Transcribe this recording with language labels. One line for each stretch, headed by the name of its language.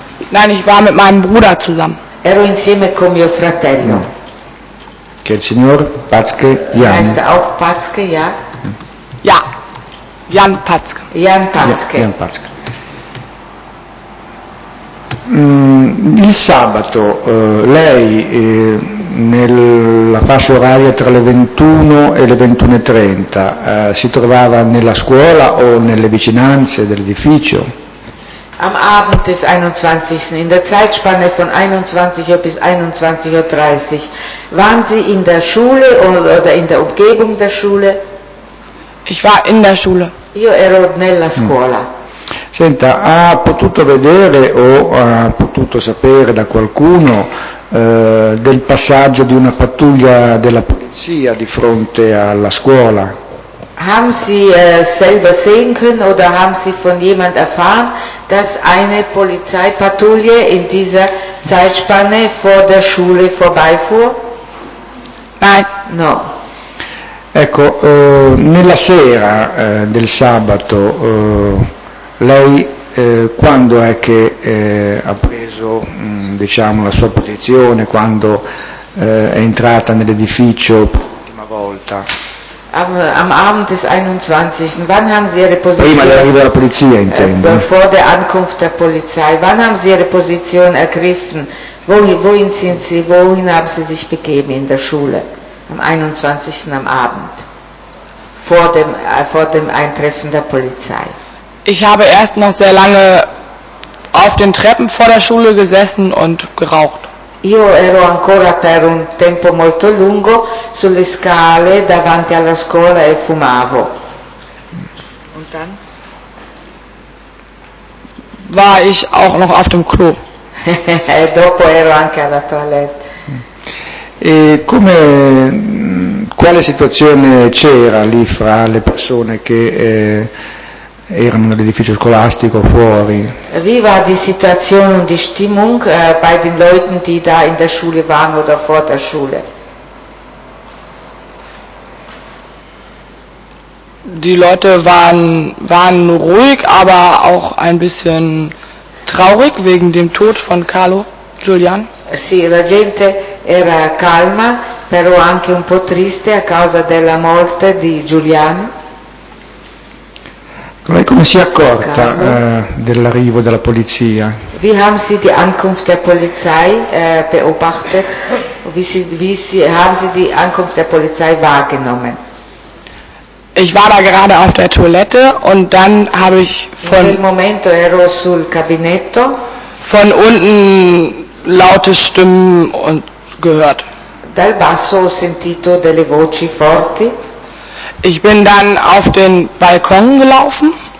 German: Nein, ich war mit meinem Bruder zusammen.
Italian: Ero insieme con mio fratello. Che il signor Patzke Jan.
German: Heißt er auch Patzke, ja? Ja, Jan Patzke. Jan Patzke. Jan Patzke.
Italian: Il sabato, lei nella fascia oraria tra le 21 e le 21.30 si trovava nella scuola o nelle vicinanze dell'edificio?
German: Am Abend des 21. in der Zeitspanne von 21 Uhr bis 21.30 Uhr waren Sie in der Schule oder in der Umgebung der Schule? Ich war in der Schule. Io ero nella scuola. Senta, ha potuto vedere o ha potuto sapere da qualcuno del passaggio di una pattuglia della polizia di fronte alla scuola? Haben Sie selber sehen können oder haben Sie von jemand erfahren, dass eine Polizeipatrouille in dieser Zeitspanne vor der Schule vorbeifuhr? Nein.
Italian: No. Ecco, nella sera del sabato, lei quando è che ha preso, diciamo, la sua posizione, quando è entrata nell'edificio per l'ultima volta?
German: Am Abend des 21. Wann haben Sie Ihre Position? Prima dell'arrivo della polizia, intendo. Vor der Ankunft der Polizei. Wann haben Sie Ihre Position ergriffen? Wohin haben Sie sich begeben in der Schule? Am 21. am Abend. Vor dem Eintreffen der Polizei. Ich habe erst noch sehr lange auf den Treppen vor der Schule gesessen und geraucht.
Italian: Io ero ancora per un tempo molto lungo sulle scale davanti alla scuola e fumavo.
German: Und dann? war ich auch noch auf dem Klo.
Italian: Dopo ero anche alla toilette. E come, quale situazione c'era lì fra le persone che erano nell'edificio scolastico fuori?
German: Wie war die Situation und die Stimmung bei den Leuten, die da in der Schule waren oder vor der Schule? Die Leute waren ruhig, aber auch ein bisschen traurig wegen dem Tod von Carlo Giuliani.
Italian: Sì, la gente era calma, però anche un po' triste a causa della morte di Giuliani. Lei come si è accorta dell'arrivo della polizia?
German: Wie haben Sie die Ankunft der Polizei beobachtet? Haben Sie die Ankunft der Polizei wahrgenommen? Ich war da gerade auf der Toilette und dann habe ich von...
Italian: In quel momento ero sul cabinetto.
German: Von unten laute Stimmen und gehört.
Italian: Dal basso ho sentito delle voci forti.
German: Ich bin dann auf den Balkon gelaufen.